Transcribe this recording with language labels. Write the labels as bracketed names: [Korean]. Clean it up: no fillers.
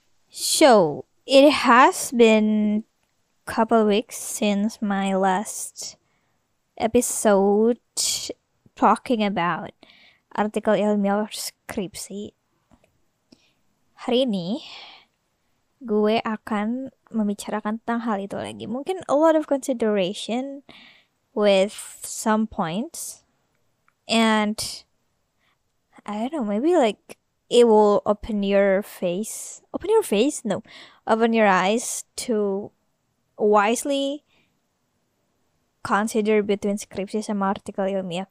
[English] So, it has been a couple of weeks since my last episode talking about Artikel Ilmiah Skripsi. [Indonesian] Hari ini, gue akan membicarakan tentang hal itu lagi. [English] Mungkin a lot of consideration with some points. And I don't know, maybe like it will open your face. Open your face? No. Open your eyes to wisely consider between Skripsi and Artikel Ilmiah.